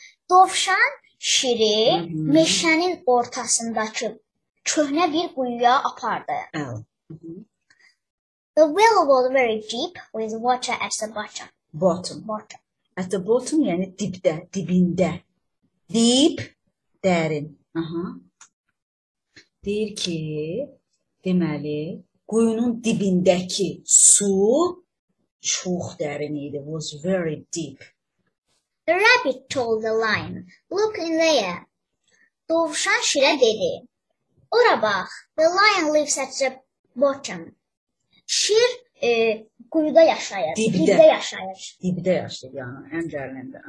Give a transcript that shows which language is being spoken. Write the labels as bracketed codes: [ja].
[az] Dovşan şiri meşenin ortasındaki köhne bir kuyuya apardı. [en] The well was very deep with water at the Bottom. bottom. At the bottom [az] yani dipte, dibinde. [en] Deep, [az] derin. Deyir ki, demeli, kuyunun dibindeki su çok derin idi. [en] Was very deep. The rabbit told the lion, "Look in there." [az] Dovşan şire dedi, "Ora bak. [en] The lion lives at the bottom." [az] Şir kuyuda yaşayır, dibde Dibde. yaşayır. Dibde yaşlı yani en derininde.